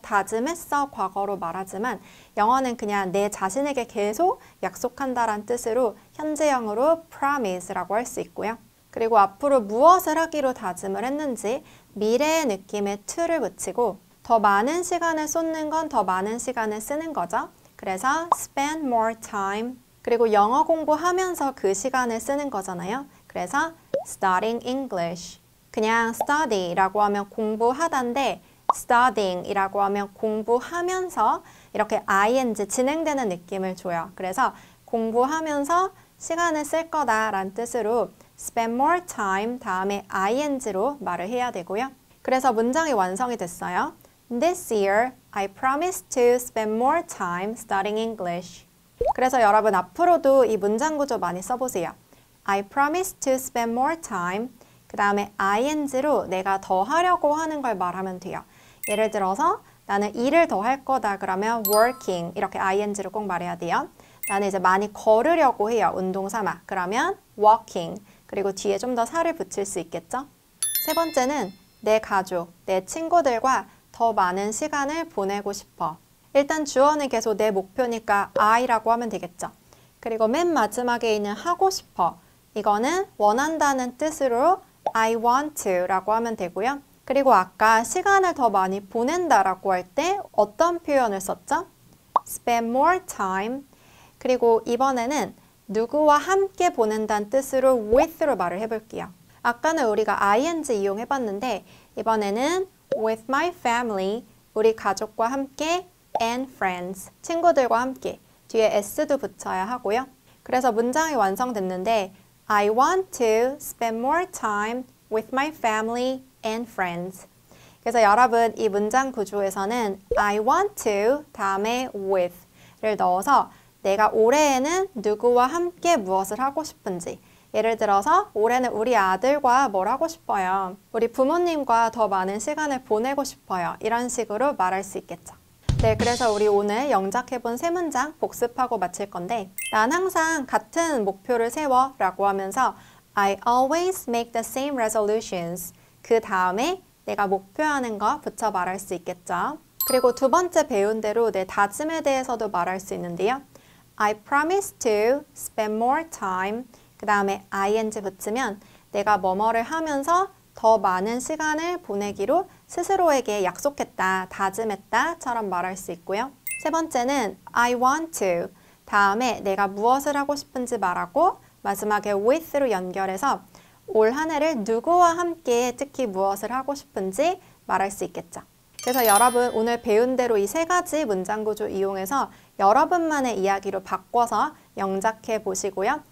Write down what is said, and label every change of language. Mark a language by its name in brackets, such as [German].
[Korean] 다짐했어 과거로 말하지만 영어는 그냥 내 자신에게 계속 약속한다란 뜻으로 현재형으로 promise라고 할수 있고요. 그리고 앞으로 무엇을 하기로 다짐을 했는지 미래의 느낌의 to를 붙이고 더 많은 시간을 쏟는 건더 많은 시간을 쓰는 거죠. 그래서 [English] spend more time. [Korean] 그리고 영어 공부하면서 그 시간을 쓰는 거잖아요. 그래서 [English] studying English. [Korean] 그냥 study라고 하면 공부하다인데 studying이라고 하면 공부하면서 이렇게 ing 진행되는 느낌을 줘요. 그래서 공부하면서 시간을 쓸 거다란 뜻으로 [English] spend more time [Korean] 다음에 ing로 말을 해야 되고요. 그래서 문장이 완성이 됐어요. [English] This year, I promise to spend more time studying English. [Korean] 그래서 여러분 앞으로도 이 문장 구조 많이 써보세요. [English] I promise to spend more time. [Korean] 그 다음에 ing로 내가 더 하려고 하는 걸 말하면 돼요. 예를 들어서 나는 일을 더할 거다 그러면 working 이렇게 ing로 꼭 말해야 돼요. 나는 이제 많이 걸으려고 해요. 운동 삼아. 그러면 walking. 그리고 뒤에 좀더 살을 붙일 수 있겠죠? 세 번째는 내 가족, 내 친구들과 더 많은 시간을 보내고 싶어. 일단 주어는 계속 내 목표니까 I라고 하면 되겠죠? 그리고 맨 마지막에 있는 하고 싶어. 이거는 원한다는 뜻으로 [English] I want to [Korean] 라고 하면 되고요. 그리고 아까 시간을 더 많이 보낸다라고 할때 어떤 표현을 썼죠? [English] Spend more time. [Korean] 그리고 이번에는 누구와 함께 보낸다는 뜻으로 with로 말을 해볼게요. 아까는 우리가 ing 이용해 봤는데 이번에는 [English] with my family, [Korean] 우리 가족과 함께 [English] and friends, [Korean] 친구들과 함께 뒤에 s도 붙여야 하고요. 그래서 문장이 완성됐는데 [English] I want to spend more time with my family and friends. [Korean] 그래서 여러분 이 문장 구조에서는 I want to 다음에 with를 넣어서 내가 올해에는 누구와 함께 무엇을 하고 싶은지. 예를 들어서 올해는 우리 아들과 뭘 하고 싶어요. 우리 부모님과 더 많은 시간을 보내고 싶어요. 이런 식으로 말할 수 있겠죠. 네, 그래서 우리 오늘 영작해본 세 문장 복습하고 마칠 건데, 난 항상 같은 목표를 세워 라고 하면서 [English] I always make the same resolutions. [Korean] 그 다음에 내가 목표하는 거 붙여 말할 수 있겠죠. 그리고 두 번째 배운 대로 내 다짐에 대해서도 말할 수 있는데요. [English] I promise to spend more time. [Korean] 그 다음에 ing 붙이면 내가 뭐뭐를 하면서 더 많은 시간을 보내기로 스스로에게 약속했다, 다짐했다처럼 말할 수 있고요. 세 번째는 [English] I want to. [Korean] 다음에 내가 무엇을 하고 싶은지 말하고 마지막에 with로 연결해서 올한 해를 누구와 함께 특히 무엇을 하고 싶은지 말할 수 있겠죠. 그래서 여러분 오늘 배운 대로 이세 가지 문장 구조 이용해서 여러분만의 이야기로 바꿔서 영작해 보시고요.